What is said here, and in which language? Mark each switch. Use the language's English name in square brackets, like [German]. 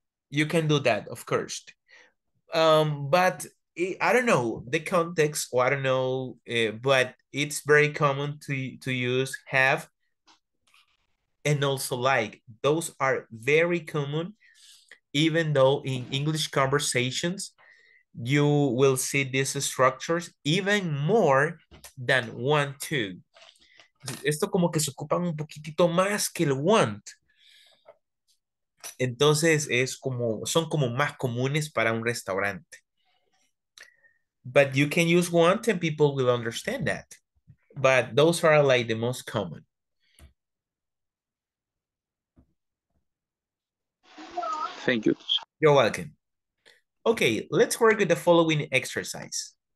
[English] You can do that, of course. But I don't know the context, or I don't know, but it's very common to use have and also like. Those are very common, even though in English conversations, you will see these structures even more than want to. [Spanish] Esto como que se ocupan un poquitito más que el want. Entonces, son como más comunes para un restaurante. [English] But you can use want and people will understand that. But those are like the most common. Thank you. You're welcome. Okay, let's work with the following exercise.